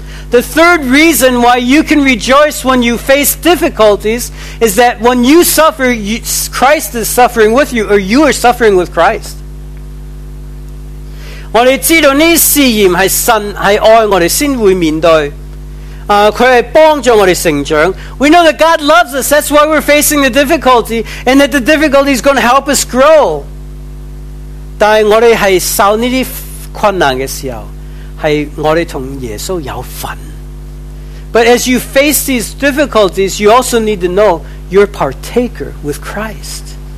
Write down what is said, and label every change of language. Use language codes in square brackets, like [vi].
[en] The third reason why you can rejoice when you face difficulties is that when you suffer, Christ is suffering with you, or you are suffering with Christ. [zh] 我们知道这些试验是神爱我们才会面对，祂是帮助我们成长。 [en] We know that God loves us, that's why we're facing the difficulty, and that the difficulty is going to help us grow. [zh] 但是我们在受这些困难的时候，是我们和耶稣有份。 [en] But as you face these difficulties, you also need to know you're a partaker with Christ.